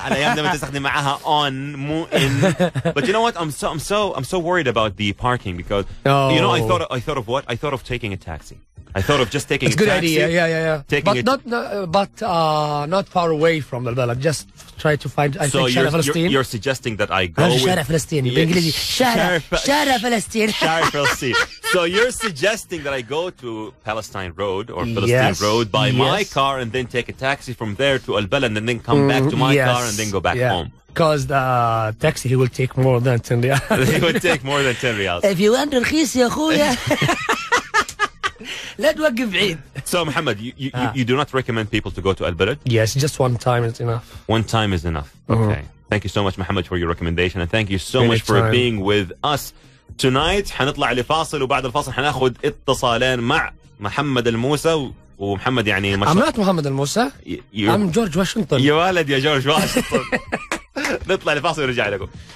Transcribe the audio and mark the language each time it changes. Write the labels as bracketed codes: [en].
[ar] الأيام تستخدم معها on مو in. [en] But you know what? I'm so worried about the parking because you know I thought of what? I thought of taking a taxi. I thought of just taking a taxi. It's a good idea. Yeah. But not far away from the Balad. Just try to find. I think Shara Palestine. You're suggesting that I go. Shara Palestine. In English. Shara Palestine. Shara Palestine. So you're suggesting that I go to Palestine Road or Palestine Road by my car and then take a taxi from there to Al Balad and then come back to my car and then go back home. Because the taxi will take more than 10 riyals. It would take more than 10 riyals. If you want to [ar] rakhis, ya khouya. [en] Let me give it. So, Muhammad, you do not recommend people to go to Al Balad? Yes, just one time is enough. One time is enough. Mm-hmm. Okay. Thank you so much, Muhammad, for your recommendation. And thank you so much for being with us. [ar] Tonight, حنطلع لفاصل وبعد الفاصل حناخد اتصالين مع محمد الموسى ومحمد يعني مش [en] I'm not محمد الموسى I'm George Washington [ar] يا ولد يا جورج واشنطن نطلع لفاصل ورجع لكم